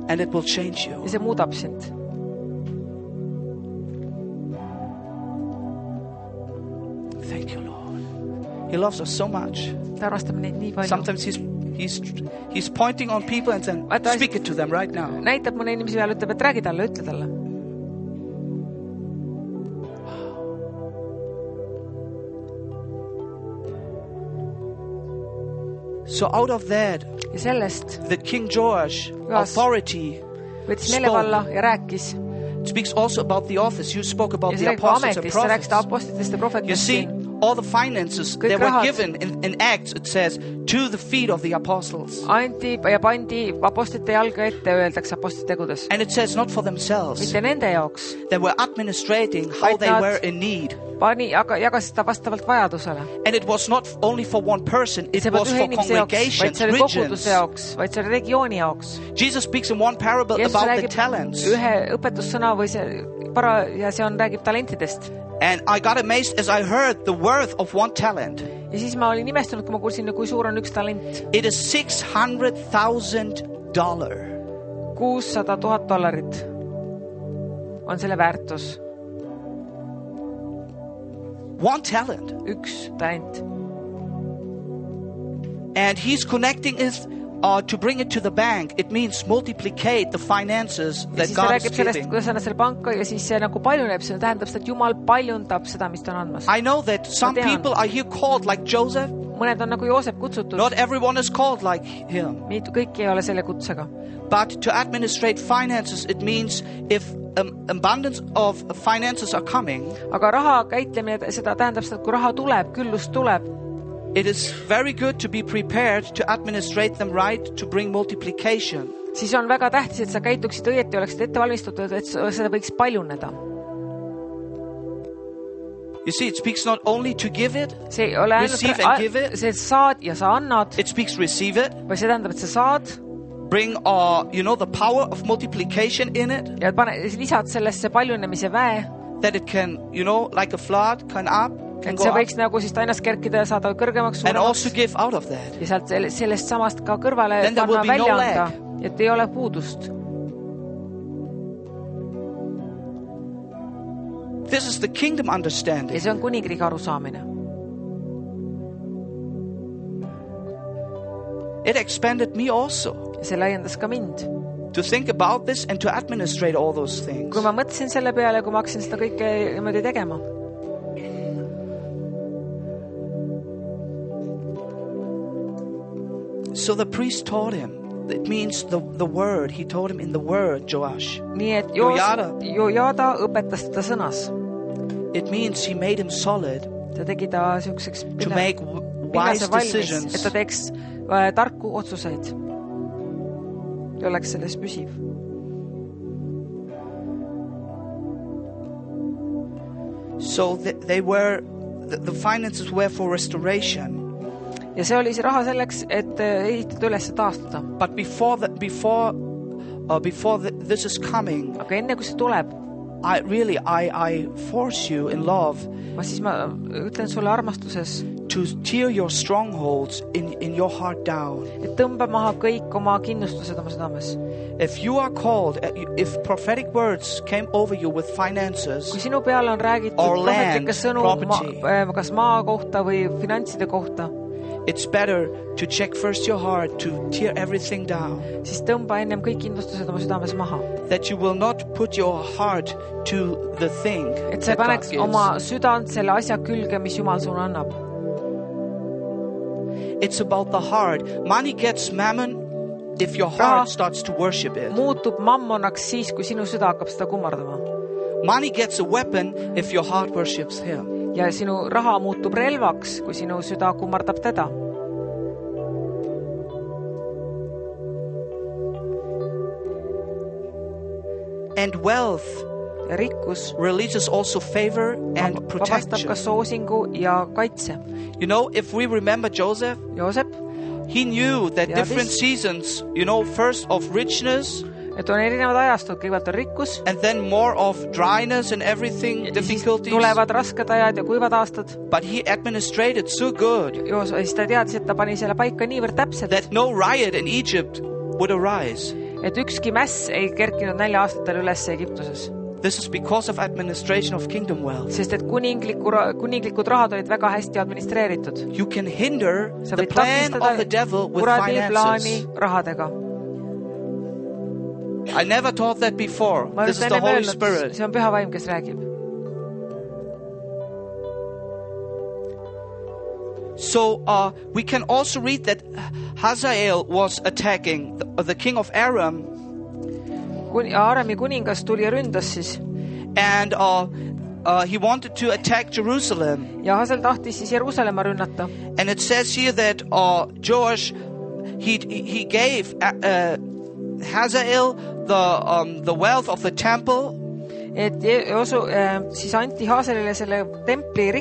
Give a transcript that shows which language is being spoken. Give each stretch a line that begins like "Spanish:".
English: And it will change you.
Estonian: Ja see muudab sind.
English: Thank you, Lord. He loves us so much.
Estonian: Ta arvastab neid nii palju.
English: Sometimes he's pointing on people and saying, speak it to them right now.
Estonian: Näitab mõne inimesi peale, ütleb, et räägi talle, ütle talle.
English: So out of that,
Estonian: ja sellest,
English: the King George authority
Estonian: võtsis meelevalla ja rääkis.
English: speaks also about the office. You spoke about the apostles and prophets. You see, all the finances that were given in Acts, it says, to the feet of the apostles. And it says not for themselves. They were administrating how they were in need. And it was not only for one person, it was for congregations, regions. Jesus speaks in one parable about the talents.
Estonian: Ühe õpetussõna või see para ja see on räägib talentidest.
English: And I got amazed as I heard the worth of one talent.
Estonian: Ja siis ma olin imestunud, kui ma kuulsin, kui suur on üks talent.
English: It is $600,000.
Estonian: $600,000 on selle väärtus.
English: One talent.
Estonian: Üks talent.
English: And he's connecting it to bring it to the bank. It means multiplicate the finances that God is giving.
Estonian: Sellest, kuidas anna selle panka ja siis see nagu paljuneb. See tähendab seda, et Jumal paljundab seda, mis ta on andmas.
English: I know that some people are here called like Joseph.
Estonian: Mõned on nagu Joosep kutsutud.
English: Not everyone is called like him.
Estonian: Mitte kõik ei ole selle kutsega.
English: But to administrate finances, it means if abundance of finances are coming.
Estonian: Aga raha käitlemine, seda tähendab seda, et kui raha tuleb, küllus tuleb.
English: It is very good to be prepared to administrate them right to bring multiplication.
Estonian: Siis on väga tähtis, et sa käituksid õieti, oleksid ette valmistatud, et seda võiks paljuneda.
English: You see, it speaks not only to give it,
Estonian: see, ole ainult,
English: receive and give it.
Estonian: See, saad ja sa annad.
English: It speaks receive it.
Estonian: Või see tähendab, et sa saad.
English: Bring you know, the power of multiplication in it.
Estonian: Ja pane, lisad sellesse paljunemise väe.
English: That it can, you know, like a flood, come up.
Estonian: Et see võiks nagu siis tainas kerkida ja saada kõrgemaks suuremaks. Ja sealt sellest samast ka kõrvale panna välja anda, et ei ole puudust.
English: This is the kingdom understanding.
Estonian: Ja see on kuningriigi arusaamine.
English: It expanded me also.
Estonian: Ja see laiendas ka mind.
English: To think about this and to administrate all those things.
Estonian: Kui ma mõtsin selle peale, kui ma hakkasin seda kõike niimoodi tegema.
English: So the priest taught him. It means the word. He taught him in the word, Joash.
Estonian: Jojada õpetas ta sõnas.
English: It means he made him solid.
Estonian: Ta tegi ta siukseks
English: to make wise decisions.
Estonian: Et ta teeks tarku otsuseid. Ja oleks selles püsiv.
English: So the finances were for restoration.
Estonian: Ja see oli see raha selleks, et ehitada üles taastada.
English: But before this is coming.
Estonian: Aga enne kui see tuleb.
English: I force you in love.
Estonian: Ma siis ma ütlen sulle armastuses.
English: To tear your strongholds in your heart down.
Estonian: Et tõmba maha kõik oma kinnustused oma südames.
English: If you are called, if prophetic words came over you with finances.
Estonian: Kui sinu peale on räägitud prohetlike sõnu kas maa kohta või finantside kohta.
English: It's better to check first your heart, to tear everything down.
Estonian: Siis tõmba ennem kõik kindlustused oma südames maha.
English: That you will not put your heart to the thing.
Estonian: Et sa paneks oma südant selle asja külge, mis Jumal sul annab.
English: It's about the heart. Money gets mammon if your heart starts to worship it.
Estonian: Muutub mammonaks siis, kui sinu süda hakkab seda kummardama.
English: Money gets a weapon if your heart worships him.
Estonian: Ja sinu raha muutub relvaks, kui sinu süda kummardab teda.
English: And wealth
Estonian: rikkus
English: releases also favor and protection.
Estonian: Vabastab ka soosingu ja kaitse.
English: You know, if we remember Joseph,
Estonian: Joosep,
English: he knew that different seasons, you know, first of richness,
Estonian: et on erinevad ajastud, kõigepealt on rikkus.
English: And then more of dryness and everything, difficulties.
Estonian: Tulevad rasked ajad ja kuivad aastad.
English: But he administrated so good.
Estonian: Siis ta teadis, et ta pani selle paika niivõrd täpselt.
English: That no riot in Egypt would arise.
Estonian: Et ükski mäss ei kerkinud 4 aastatel üles Egiptuses.
English: This is because of administration of kingdom wealth.
Estonian: Sest et kuninglikud rahad olid väga hästi administreeritud.
English: You can hinder the plan of the devil with finances.
Estonian: Kuradi plaani rahadega.
English: I never taught that before. This is the Holy Spirit.
Estonian: See on püha vaim, kes räägib.
English: So we can also read that Hazael was attacking the king of Aram.
Estonian: Aarami kuningas tuli ja ründas siis.
English: And he wanted to attack Jerusalem.
Estonian: Ja Hasel tahtis siis Jerusalema rünnata.
English: And it says here that Joash he gave Hazael the wealth of the temple.
Estonian: Et also siis anti Haaselile selle templi rikkused.